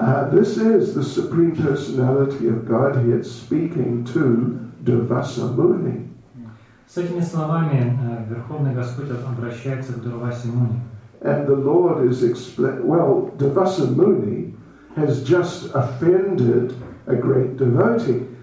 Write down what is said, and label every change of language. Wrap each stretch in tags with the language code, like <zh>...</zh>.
<en>This is the Supreme Personality of Godhead speaking to Durvasa Muni.</en> <ru>С этими словами Верховный Господь обращается к Дурвасе Муни.</ru> <en>And the Lord is well, Durvasa Muni has just offended a great devotee.</en>